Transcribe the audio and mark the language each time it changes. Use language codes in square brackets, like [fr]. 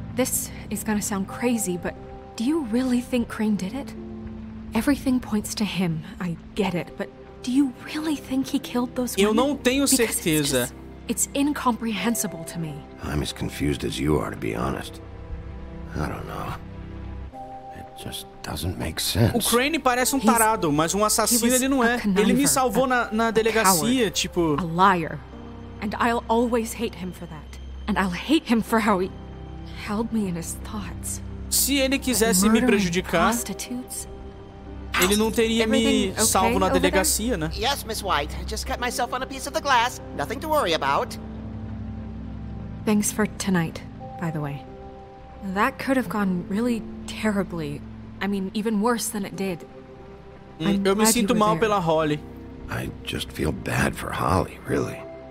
[en] This is gonna sound crazy, but do you really think Crane did it? Everything points to him, I get it, but do you really think he killed those women? [pt] Eu não tenho certeza. [en] Because it's incomprehensible to me. I'm as confused as you are, to be honest. I don't know. It just doesn't make sense. [pt] O Crane parece tarado, mas assassino ele não é. Ele me salvou na delegacia, tipo... [en] A liar. And I'll always hate him for that. And I'll hate him for how he... held me in his thoughts. [pt] Se ele quisesse me prejudicar, ele não teria me salvo na delegacia, né? [en] Yes, Miss White. Just cut myself on a piece of the glass. Nothing to worry about. Thanks for tonight, by the way. That could have gone really terribly. I mean, even worse than it did. [pt] Eu me sinto mal pela Holly. [en] I just feel bad for Holly, really.